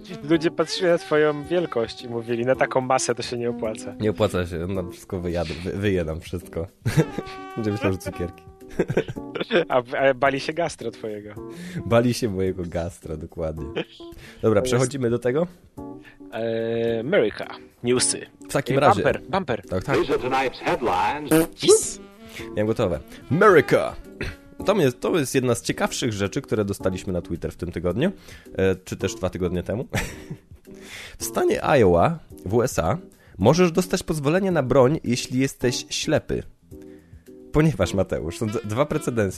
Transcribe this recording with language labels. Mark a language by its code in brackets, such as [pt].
[pl] Ludzie patrzyli na twoją wielkość i mówili, na taką masę to się nie opłaca. Nie opłaca się, no wszystko wyjedam wszystko. Ludzie myślą, że cukierki. A bali się gastro twojego. Bali się mojego gastro, dokładnie. Dobra, przechodzimy do tego. America newsy. W takim razie. Bumper. Tak. [en] Those are tonight's headlines. [pl] Miałem gotowe. America. To jest jedna z ciekawszych rzeczy, które dostaliśmy na Twitter w tym tygodniu, czy też dwa tygodnie temu. W stanie Iowa w USA możesz dostać pozwolenie na broń, jeśli jesteś ślepy. Ponieważ, Mateusz, są dwa precedensy.